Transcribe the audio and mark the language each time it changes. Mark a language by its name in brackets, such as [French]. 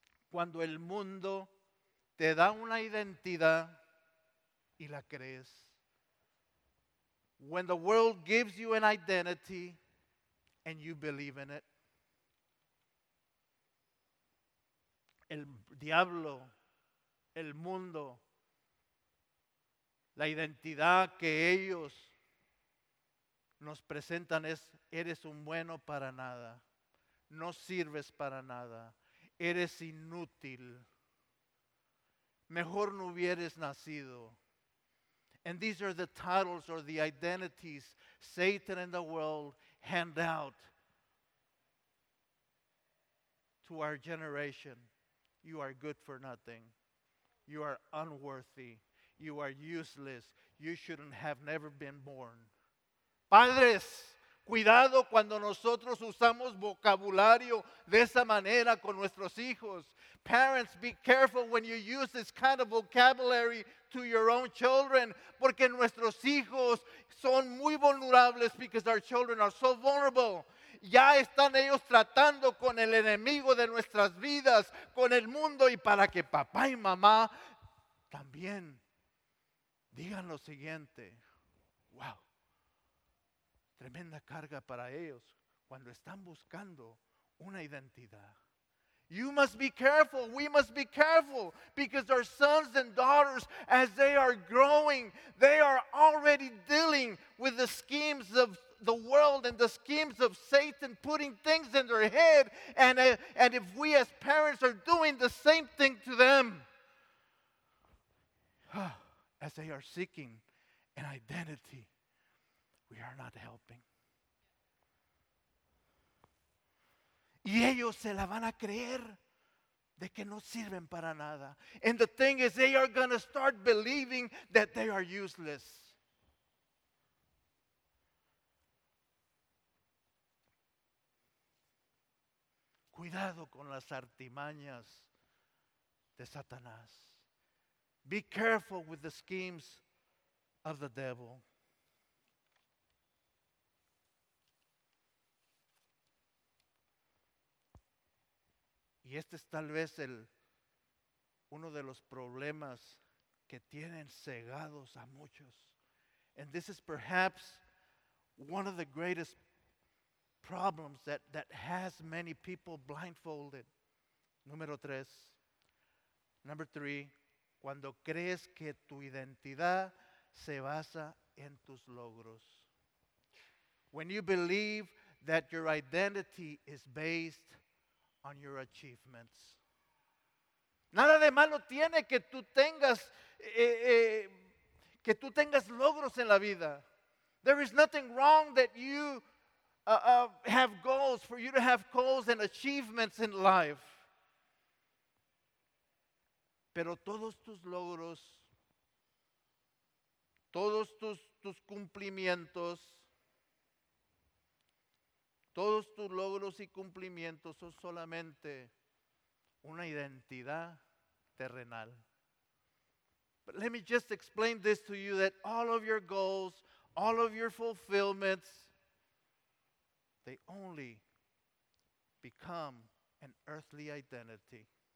[Spanish] Cuando el mundo te da una identidad y la crees. [English] When the world gives you an identity and you believe in it. [Spanish] El diablo, el mundo, la identidad que ellos nos presentan es, eres un bueno para nada, no sirves para nada, eres inútil, mejor no hubieras nacido. [English] And these are the titles or the identities Satan and the world hand out to our generation. You are good for nothing. You are unworthy. You are useless. You shouldn't have never been born. [Spanish] Padres, cuidado cuando nosotros usamos vocabulario de esa manera con nuestros hijos. [English] Parents, be careful when you use this kind of vocabulary to your own children, [Spanish] porque nuestros hijos son muy vulnerables, [English] because our children are so vulnerable. [Spanish] Ya están ellos tratando con el enemigo de nuestras vidas, con el mundo, y para que papá y mamá también digan lo siguiente. Wow. Tremenda carga para ellos cuando están buscando una identidad. [English] You must be careful. We must be careful because our sons and daughters, as they are growing, they are already dealing with the schemes of the world and the schemes of Satan, putting things in their head. And if we as parents are doing the same thing to them, as they are seeking an identity, we are not helping. [Spanish] Y ellos se la van a creer de que no sirven para nada. [English] And the thing is, they are going to start believing that they are useless. [Spanish] Cuidado con las artimañas de Satanás. [English] Be careful with the schemes of the devil. [Spanish] Y este es tal vez uno de los problemas que tienen cegados a muchos. [English] And this is perhaps one of the greatest problems that has many people blindfolded. [Spanish] Número tres. [English] Number three. [Spanish] Cuando crees que tu identidad se basa en tus logros. [English] When you believe that your identity is based on your achievements. [Spanish] Nada de malo tiene que tú tengas logros en la vida. [English] There is nothing wrong that you have goals, for you to have goals and achievements in life. [Spanish] Pero todos tus logros, todos tus cumplimientos, todos tus logros y cumplimientos son solamente una identidad terrenal. [English] But let me just explain this to you, that all of your goals, all of your fulfillments, they only become an earthly identity.